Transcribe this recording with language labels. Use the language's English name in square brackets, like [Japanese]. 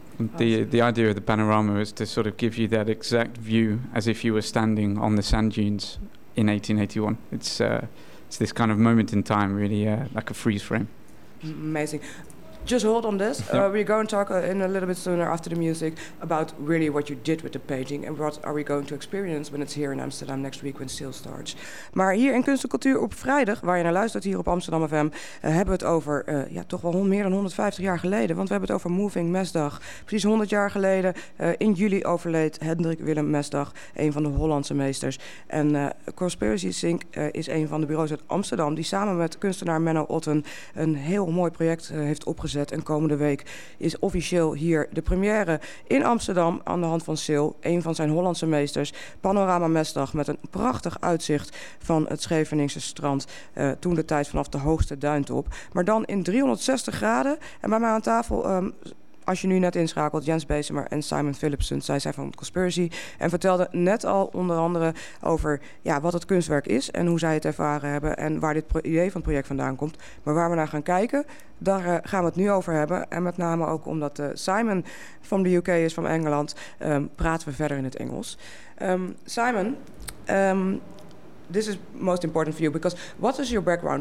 [English] And the idea of the panorama is to sort of give you that exact view as if you were standing on the sand dunes in 1881. It's this kind of moment in time, really, like a freeze frame. Amazing. Just hold on this. Yep. We're going to talk in a little bit sooner after the music about really what you did with the painting and what are we going to experience when it's here in Amsterdam next week when sale starts. [Dutch] Maar hier in Kunst en Cultuur op vrijdag, waar je naar luistert hier op Amsterdam FM, hebben we het over toch wel meer dan 150 jaar geleden. Want we hebben het over Moving Mesdag. Precies 100 jaar geleden, in juli, overleed Hendrik Willem Mesdag, een van de Hollandse meesters. En Conspiracy Sync is een van de bureaus uit Amsterdam die samen met kunstenaar Menno Otten een heel mooi project heeft opgezet. En komende week is officieel hier de première in Amsterdam aan de hand van Sil, een van zijn Hollandse meesters. Panorama Mesdag met een prachtig uitzicht van het Scheveningse strand, toen de tijd vanaf de hoogste duintop. Maar dan in 360 graden. En bij mij aan tafel, als je nu net inschakelt, Jens Bezemer en Simon Philipsen, zij zijn van Conspiracy. En vertelden net al onder andere over wat het kunstwerk is en hoe zij het ervaren hebben en waar dit idee van het project vandaan komt. Maar waar we naar gaan kijken, daar gaan we het nu over hebben. En met name ook omdat Simon van de UK is, van Engeland, praten we verder in het Engels. [English] Simon, this is most important for you, because what is your background?